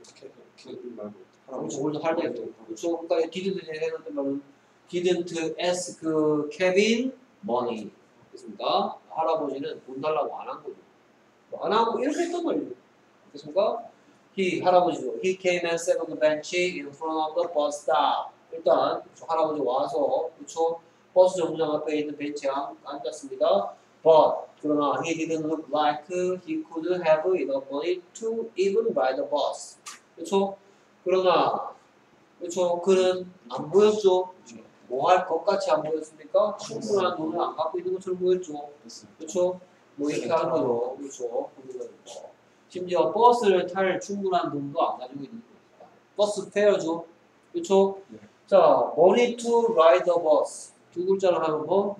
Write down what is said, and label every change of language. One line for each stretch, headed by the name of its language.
Korean: 그 할배. 그렇죠? 그러니까 didn't 해놨던 말은
English: Didn't ask Kevin money.
Korean: 그렇습니까? 할아버지는 돈 달라고 안 한 거죠. 안 하고 이렇게 했던 거죠. 그렇습니까? He, 할아버지도.
English: He came and sat on the bench in front of the bus stop.
Korean: 일단 할아버지 와서 그쵸? 버스 정류장 앞에 있는 벤치에 앉았습니다.
English: But, 그러나 he didn't look like he could have enough money to even ride the bus.
Korean: 그렇죠? 그러나 그렇죠? 그는 안 보였죠? 뭐 할 것 같이 안 보였습니까? 충분한 돈을 안 갖고 있는 것처럼 보였죠. 그렇죠? 뭐 이렇게 하는 거죠. 그렇죠? 심지어 버스를 탈 충분한 돈도 안 가지고 있는 겁니다. 버스 페어죠. 그렇죠? 자,
English: money to ride a bus
Korean: 두 글자를 하는 거.